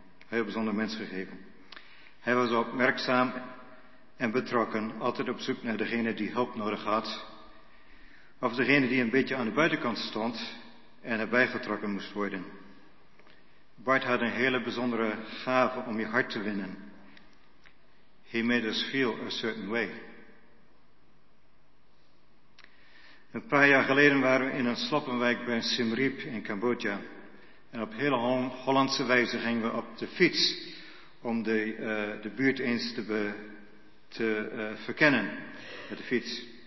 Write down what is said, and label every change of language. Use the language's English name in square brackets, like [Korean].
[Dutch] Een heel bijzonder mens gegeven. Hij was opmerkzaam en betrokken, altijd op zoek naar degene die hulp nodig had. Of degene die een beetje aan de buitenkant stond en erbij getrokken moest worden. Bart had een hele bijzondere gave om je hart te winnen. [English] He made us feel a certain way. [Dutch] Een paar jaar geleden waren we in een sloppenwijk bij Siem Reap in Cambodja. En op hele Hollandse wijze gingen we op de fiets om de buurt eens te verkennen met de fiets.